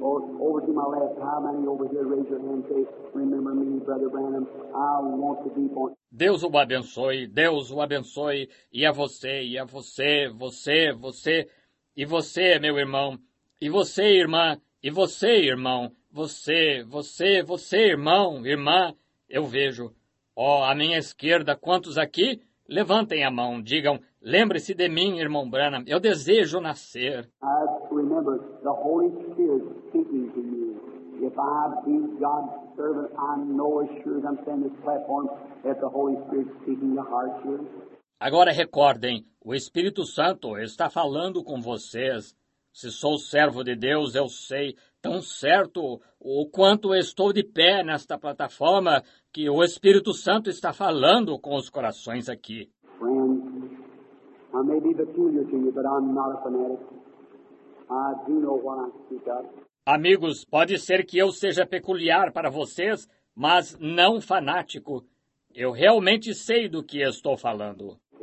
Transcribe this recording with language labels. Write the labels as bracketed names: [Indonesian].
[English] Or over to my left, how many over here, raise your hand, say, remember me, Brother Branham, I want to be born. [Portuguese] Deus o abençoe, e a você, você, você, e você, meu irmão, e você, irmão, você, você, você, irmão, irmã, eu vejo, ó, à minha esquerda, quantos aqui? Levantem a mão, digam, lembre-se de mim, irmão Branham, eu desejo nascer. [English] Remember, the Holy Spirit speaking to you. If I be God's servant, I'm no assured I'm standing this platform if the Holy Spirit speaking your heart to you. [Portuguese] Agora recordem, o Espírito Santo está falando com vocês. Se sou servo de Deus, eu sei tão certo o quanto estou de pé nesta plataforma que o Espírito Santo está falando com os corações aqui. [English] Friends, I may be peculiar to you, but I'm not a fanatic. I do know what I speak of. [Portuguese] Amigos, pode ser que eu seja peculiar para vocês, mas não fanático. Eu realmente sei do que estou falando.